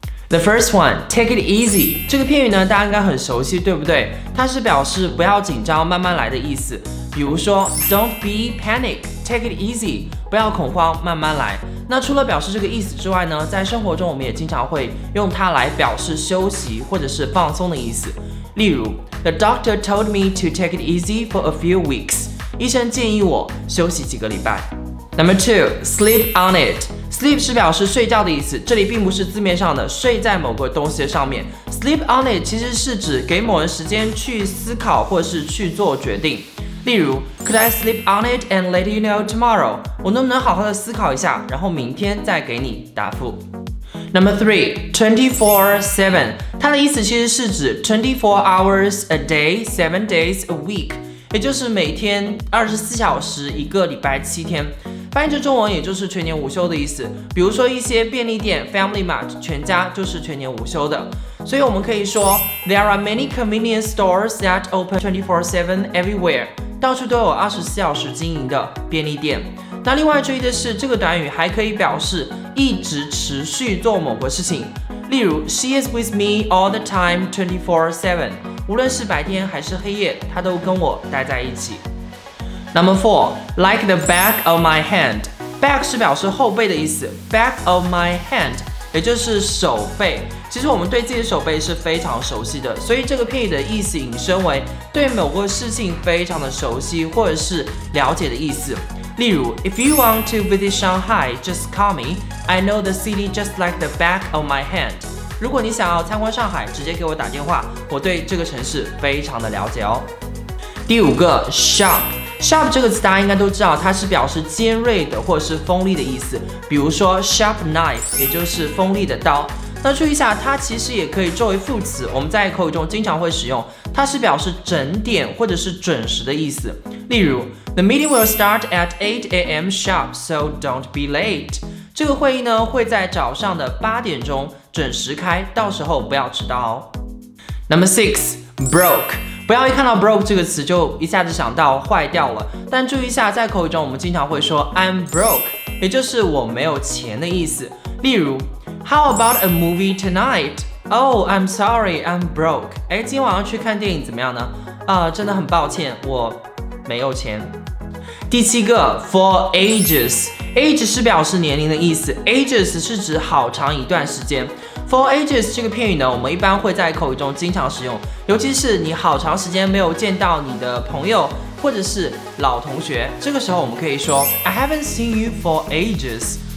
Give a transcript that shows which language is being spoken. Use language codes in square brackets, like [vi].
[en] The first one, take it easy. [zh] 这个片语呢，大家应该很熟悉，对不对？它是表示不要紧张，慢慢来的意思。比如说 [en] ，Don't be panic, take it easy. [zh] 不要恐慌，慢慢来。那除了表示这个意思之外呢，在生活中我们也经常会用它来表示休息或者是放松的意思。例如 [en] ，The doctor told me to take it easy for a few weeks. [zh] 医生建议我休息几个礼拜。 [en] Number two, sleep on it. [zh] Sleep 是表示睡觉的意思，这里并不是字面上的睡在某个东西上面。 Sleep on it 其实是指给某人时间去思考或是去做决定。例如 [en] ，Could I sleep on it and let you know tomorrow? [zh] 我能不能好好的思考一下，然后明天再给你答复。 [en] Number three, 24/7. [zh] 它的意思其实是指 [en] 24 hours a day, 7 days a week， [zh] 也就是每天24小时，一个礼拜7天。翻译成中文也就是全年无休的意思。比如说一些便利店 Family Mart 全家就是全年无休的。所以我们可以说 [en] There are many convenience stores that open 24/7 everywhere， [zh] 到处都有24小时经营的便利店。那另外注意的是，这个短语还可以表示一直持续做某个事情。例如 [en] She is with me all the time 24/7， [zh] 无论是白天还是黑夜，她都跟我待在一起。 [en] Number four, like the back of my hand. [zh] Back 是表示后背的意思， back of my hand 也就是手背。其实我们对自己的手背是非常熟悉的，所以这个片语的意思引申为对某个事情非常的熟悉或者是了解的意思。例如 [en] If you want to visit Shanghai, just call me. I know the city just like the back of my hand. [zh] 如果你想要参观上海，直接给我打电话，我对这个城市非常的了解哦。第五个 Sharp 这个词大家应该都知道，它是表示尖锐的或是锋利的意思。比如说 sharp knife 也就是锋利的刀。那注意一下，它其实也可以作为副词，我们在口语中经常会使用，它是表示整点或者是准时的意思。例如 [en] The meeting will start at 8 a.m. sharp, so don't be late. [zh] 这个会议呢会在早上的8点钟准时开，到时候不要迟到哦。 [en] Number six, broke. [zh] 不要一看到 broke 这个词就一下子想到坏掉了，但注意一下，在口语中我们经常会说 [en] I'm broke， [zh] 也就是我没有钱的意思。 [en] 例如 How about a movie tonight? Oh, I'm sorry, I'm broke. [zh] 哎，今晚要去看电影怎么样呢？真的很抱歉，我没有钱。第七个 for ages， age 是表示年龄的意思， ages 是指好长一段时间。 For ages 这个片语呢，我们一般会在口语中经常使用，尤其是你好长时间没有见到你的朋友或者是老同学，这个时候我们可以说 [en] I haven't seen you for ages.